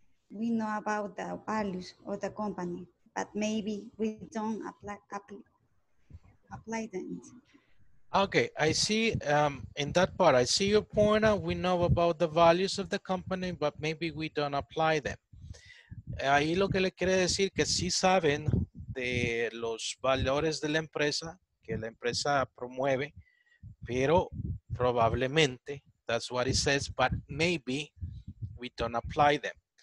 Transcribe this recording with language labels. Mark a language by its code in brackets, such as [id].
[en] We know about the values of the company, but maybe we don't apply them. Okay, I see in that part, I see your point. We know about the values of the company, but maybe we don't apply them. [es] Ahí lo que le quiere decir que sí saben de los valores de la empresa, que la empresa promueve, pero probablemente. [en] That's what it says, but maybe we don't apply them.